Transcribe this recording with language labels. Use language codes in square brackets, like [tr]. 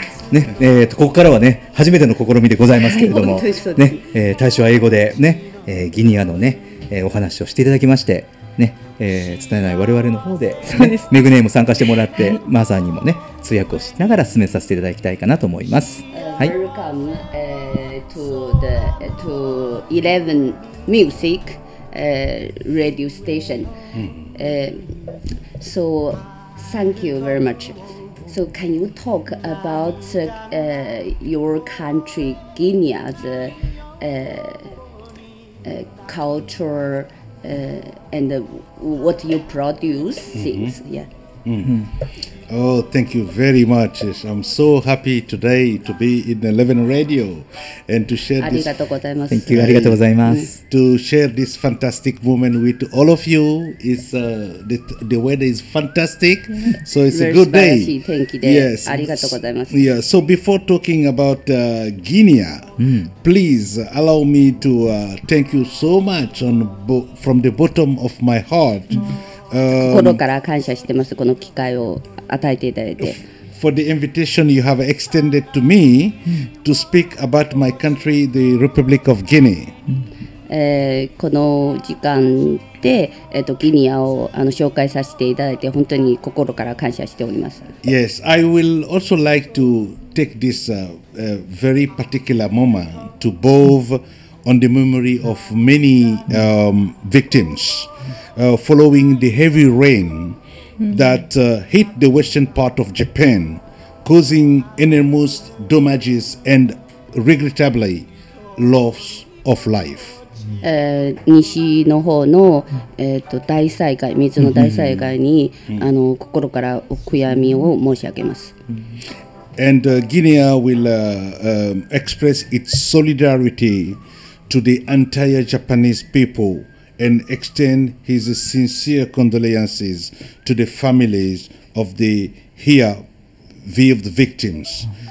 [ja] ね、ここからはね初めての試みでございますけれども、はいね、大使は英語で、ねギニアの、ねお話をしていただきまして、ね伝えない我々の方 で、ね、メグネーも参加してもらって、はい、マザーにも、ね、通訳をしながら進めさせていただきたいかなと思います。はい、 [en] Welcome to 11 Music Radio Station、うん So thank you very muchSo can you talk about your country, Guinea, the culture and what you produce things? Mm-hmm. Yeah. Mm-hmm. Oh, thank you very much. I'm so happy today to be in 11 Radio and to share this. [ja] ありがとうございます。 [en] Thank you. [ja] ありがとうございます。 [en] To share this fantastic moment with all of you. It's, the weather is fantastic, so it's a good day. [ja] 素晴らしい天気で、 yes. ありがとうございます。 [en] Yeah. So before talking about Guinea, please allow me to thank you so much from the bottom of my heart. [ja] 心から感謝してます。この機会を与えていただいて。 [en] For the invitation you have extended to me to speak about my country, the Republic of Guinea. [ja] この時間で、ギニアをあの紹介させていただいて本当に心から感謝しております。 [en] Yes, I will also like to take this very particular moment to bow on the memory of many victims. Following the heavy rain that hit the western part of Japan, causing enormous damages and regrettably loss of life. [ja] 西の方の、大災害、水の大災害に、mm-hmm. あの心からお悔やみを申し上げます。 [en] And Guinea will express its solidarity to the entire Japanese people. And extend his sincere condolences to the families of the here-lived victims.